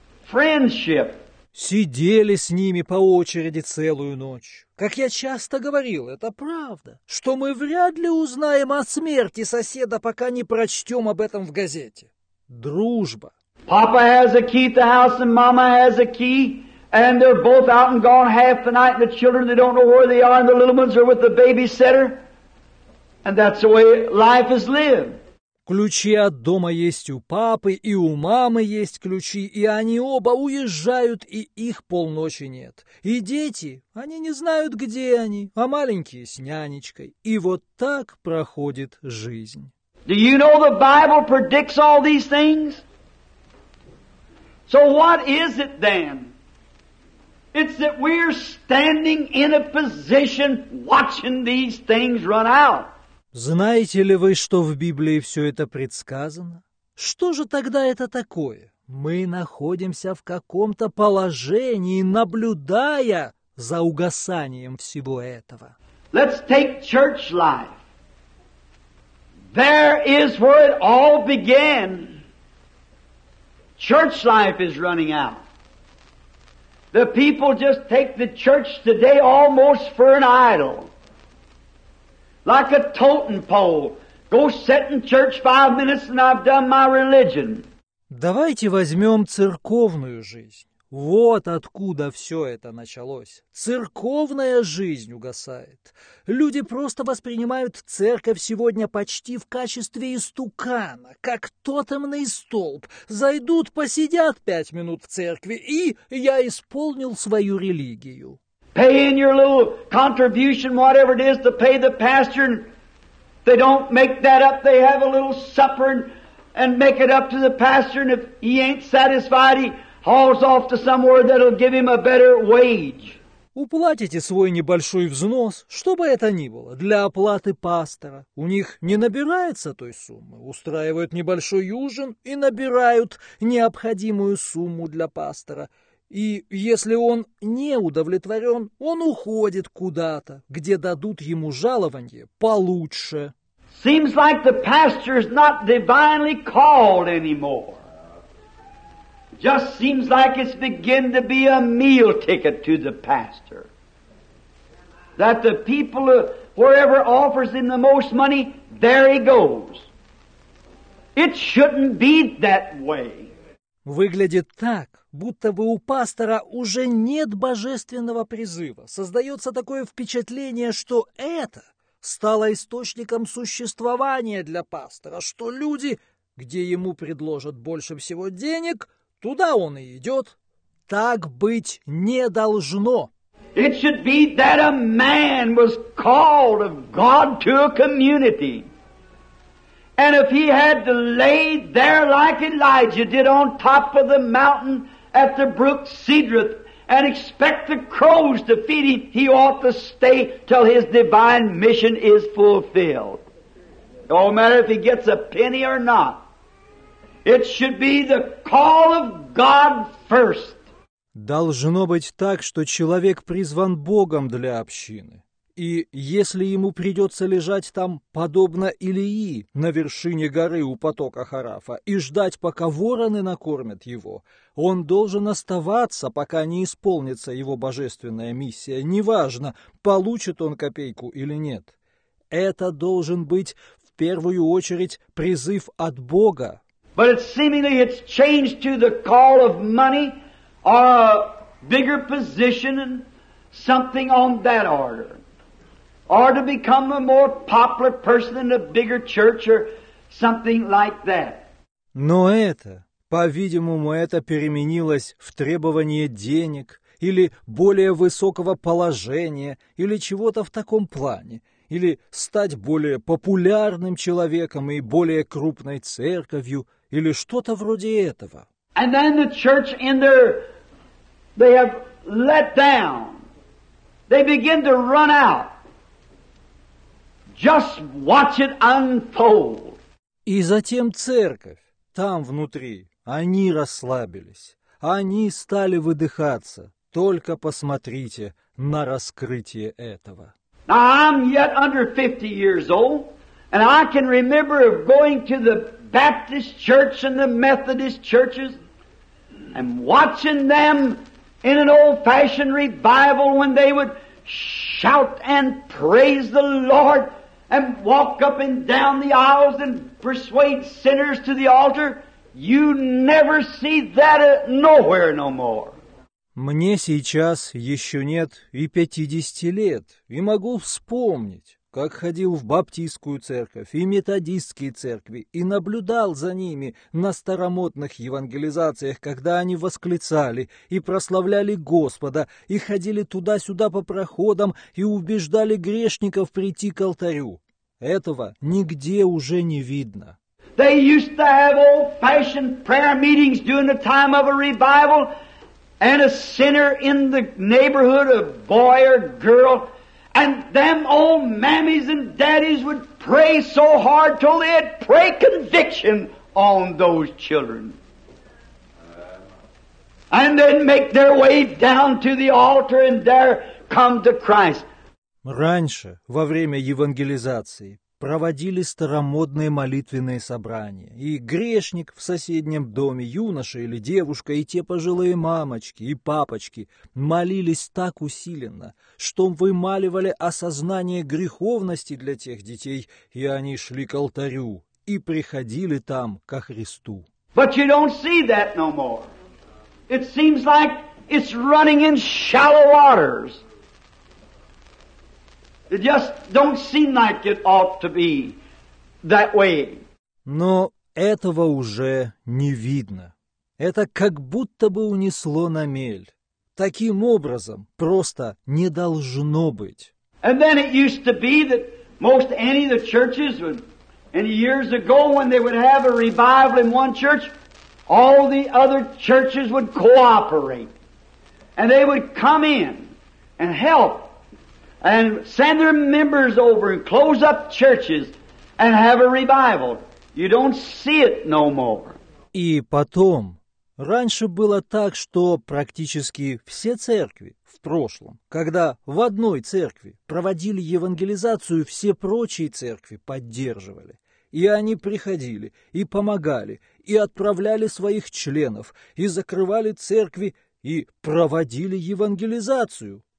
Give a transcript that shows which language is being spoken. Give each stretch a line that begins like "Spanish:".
English: Friendship.
Russian: Сидели с ними по очереди целую ночь. Как я часто говорил, это правда, что мы вряд ли узнаем о смерти соседа, пока не прочтем об этом в газете. Дружба.
English: Papa has a key to the house and Mama has a key. And they're both out and gone half the night, and the children, they don't know where they are, and the little ones are with the babysitter. And that's the way life is lived.
Russian: Ключи от дома есть у папы, и у мамы есть ключи, и они оба уезжают, и их полночи нет. И дети, они не знают, где они, а маленькие с нянечкой. И вот так проходит жизнь.
English: Do you know the Bible predicts all these things? So what is it then? It's that we're standing in a position watching these things run out.
Russian: Знаете ли вы, что в Библии все это предсказано? Что же тогда это такое? Мы находимся в каком-то положении, наблюдая за угасанием всего этого.
English: Let's take church life. There is where it all began. Church life is running out. The people just take the church today almost for an idol. Like a totem pole. Go sit in church 5 minutes and I've done my religion.
Russian: Давайте возьмем церковную жизнь. Вот откуда все это началось. Церковная жизнь угасает. Люди просто воспринимают церковь сегодня почти в качестве истукана, как тотемный столб. Зайдут, посидят 5 минут в церкви, и я исполнил свою религию.
English: Pay in your little contribution, whatever it is, to pay the pastor. They don't make that up. They have a little supper and make it up to the pastor. And if he ain't satisfied, he hauls off to somewhere that'll give him a better wage.
Russian: Уплатите свой небольшой взнос, что бы это ни было, для оплаты пастора. У них не набирается той суммы. Устраивают небольшой ужин и набирают необходимую сумму для пастора. И если он не удовлетворен, он уходит куда-то, где дадут ему жалование получше.
English: Seems like the pastor is not divinely called anymore. Just seems like it's begin to be a meal ticket to the pastor. That the people, whoever offers him the most money, there he goes. It shouldn't be that way.
Russian: Выглядит так, будто бы у пастора уже нет божественного призыва. Создается такое впечатление, что это стало источником существования для пастора, что люди, где ему предложат больше всего денег, туда он и идет. Так быть не должно.
English: It should be that a man was called of God to a community. And if he had to lay there like Elijah did on top of the mountain at the brook Cedrith and expect the crows to feed him, he ought to stay till his divine mission is fulfilled. No matter if he gets a penny or not. It should be the call of God first.
Russian: Должно быть так, что человек призван Богом для общины. И если ему придется лежать там, подобно Илии, на вершине горы у потока Харафа, и ждать, пока вороны накормят его, он должен оставаться, пока не исполнится его божественная миссия, неважно, получит он копейку или нет. Это должен быть в первую очередь призыв от Бога.
English: But it's seemingly it's changed to the call of money or a bigger position and something on that order, or to become a more popular person in a bigger church or something like that.
Russian: Но это, по-видимому, это переменилось в требование денег или более высокого положения или чего-то в таком плане. Или стать более популярным человеком и более крупной церковью, или что-то вроде этого.
English: And then the church in their, they have let down. They begin to run out. Just watch it unfold.
Russian: И затем церковь, там внутри, они расслабились, они стали выдыхаться. Только посмотрите на раскрытие этого.
English: Now I'm yet under 50 years old, and I can remember of going to the Baptist church and the Methodist churches and watching them in an old-fashioned revival when they would shout and praise the Lord and walk up and down the aisles and persuade sinners to the altar. You never see that nowhere no more.
Russian: Мне сейчас еще нет и 50 лет, и могу вспомнить, как ходил в баптистскую церковь и методистские церкви и наблюдал за ними на старомодных евангелизациях, когда они восклицали и прославляли Господа и ходили туда-сюда по проходам и убеждали грешников прийти к алтарю. Этого нигде уже не видно.
English: They used to have old-fashioned prayer meetings during the time of a revival. And a sinner in the neighborhood, a boy or girl, and them old mammies and daddies would pray so hard till they'd pray conviction on those children. And then make their way down to the altar and there come to Christ.
Russian: Раньше, во время евангелизации, проводили старомодные молитвенные собрания. И грешник в соседнем доме, юноша или девушка, и те пожилые мамочки и папочки молились так усиленно, что вымаливали осознание греховности для тех детей, и они шли к алтарю и приходили там ко Христу.
English: But you don't see that no more. It seems like it's running in shallow waters. Just don't seem like it ought to be that way.
Russian: Но этого уже не видно. Это как будто бы унесло на мель. Таким образом просто не должно быть.
English: And then it used to be that most any of the churches would, and years ago when they would have a revival in one church, all the other churches would cooperate. And they would come in and help. And send their members over and close up churches and have a revival. You don't see it no more.
Russian: И потом, раньше было так, что практически все церкви в прошлом, когда в одной церкви проводили евангелизацию, все прочие церкви поддерживали. И они приходили, и помогали, и отправляли своих членов, и закрывали церкви, и проводили евангелизацию.